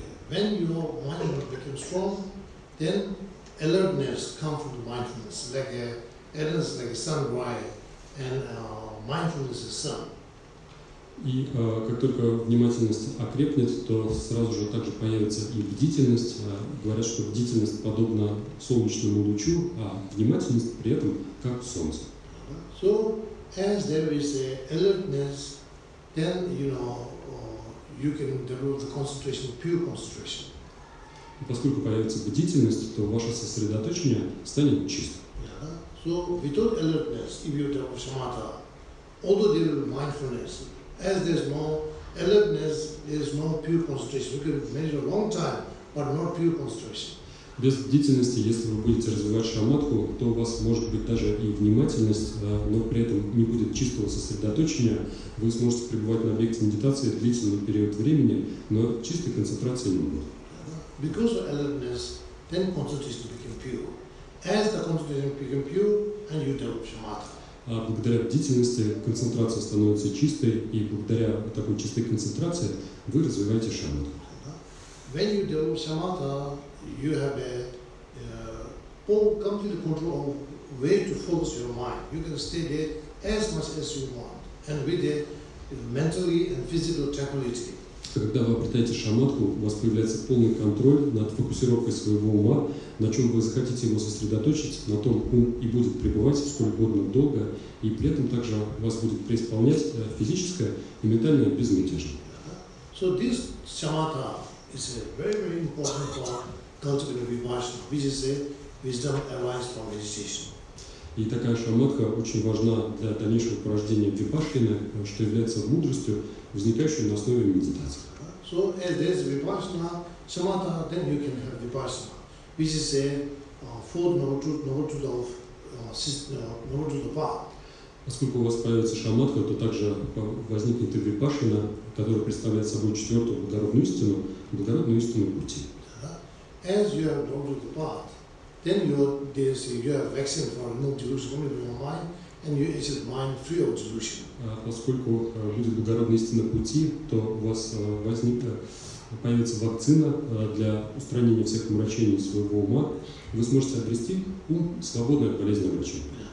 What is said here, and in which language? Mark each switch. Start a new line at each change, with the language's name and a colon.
English: Okay. When your mind becomes strong, then alertness comes from the mindfulness, like a alertness like a sun rise, and mindfulness is sun.
Russian: И как только внимательность окрепнет, то сразу же также появится и бдительность. Говорят, что бдительность подобна солнечному лучу, а внимательность при этом как солнце.
English: So, as there is a alertness, then you know you can develop the concentration, pure concentration.
Russian: И поскольку появится бдительность, то ваше сосредоточение станет чистым.
English: So, without alertness, if you develop samatha, although there is mindfulness, as there is no alertness, there is no pure concentration. You can measure a long time, but not pure concentration.
Russian: Без бдительности, если вы будете развивать шаматху, то у вас может быть даже и внимательность, но при этом не будет чистого сосредоточения. Вы сможете пребывать на объекте медитации длительный период времени, но чистой концентрации не будет.
English: Because of alertness, then concentration becomes pure. As the concentration becomes pure, and you develop shamatha.
Russian: А благодаря бдительности концентрация становится чистой, и благодаря такой чистой концентрации вы развиваете шамату.
English: When you develop samatha, you have a complete control of where to focus your mind. You can stay there as much as you want, and with it, mentally and physical tranquility.
Russian: Когда вы обретаете шаматху, у вас появляется полный контроль над фокусировкой своего ума, на чем вы захотите его сосредоточить, на том ум и будет пребывать сколь угодно долго, и при этом также вас будет преисполнять физическое и ментальное безмятежное.
English: So this shamatha is a very, very important part cultivating vipassana, which is a wisdom arising from meditation.
Russian: И такая шаматха очень важна для дальнейшего порождения випашины, что является мудростью, возникающей на основе медитации.
English: So as there is vipassana shamatha, then you can have vipassana, which is a fourth noble truth of path.
Russian: Поскольку у вас появится шаматха, то также возникнет и випашина, которая представляет собой четвертую благородную истину пути.
English: As you have gone to the path, then you have vaccine for no delusion only in your mind, and you is your mind free of delusion.
Russian: Поскольку будет благородная истина пути, то у вас появится вакцина для устранения всех омрачений своего ума, вы сможете обрести ум, свободный от болезни омрачений.